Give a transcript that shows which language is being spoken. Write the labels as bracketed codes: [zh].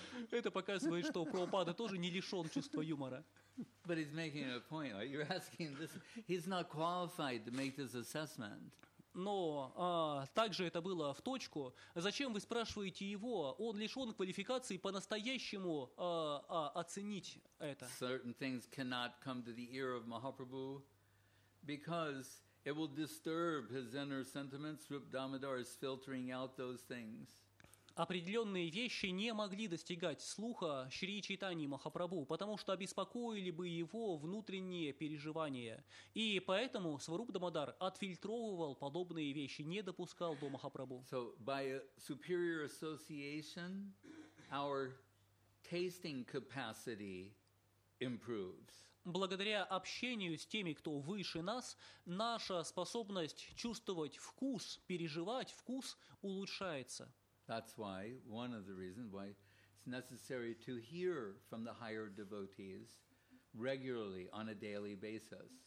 [ru] Это показывает, что Прабхупада тоже не лишен чувства юмора. [en] But he's making a point. Like you're asking this. He's not qualified to make this assessment. [ru] Но также это было в точку. Зачем вы спрашиваете его? Он лишен квалификации по-настоящему оценить это. [en] Certain things cannot come to the ear of Mahaprabhu because it will disturb his inner sentiments. Rupa Damodar is filtering out those things. [ru] Определенные вещи не могли достигать слуха Шри Чайтаньи Махапрабху, потому что обеспокоили бы его внутренние переживания. И поэтому Сваруп Дамодар отфильтровывал подобные вещи, не допускал до Махапрабху. [en] So by a superior association, our tasting capacity improves. [ru] Благодаря общению с теми, кто выше нас, наша способность чувствовать вкус, переживать вкус улучшается. [en] That's why one of the reasons why it's necessary to hear from the higher devotees regularly on a daily basis.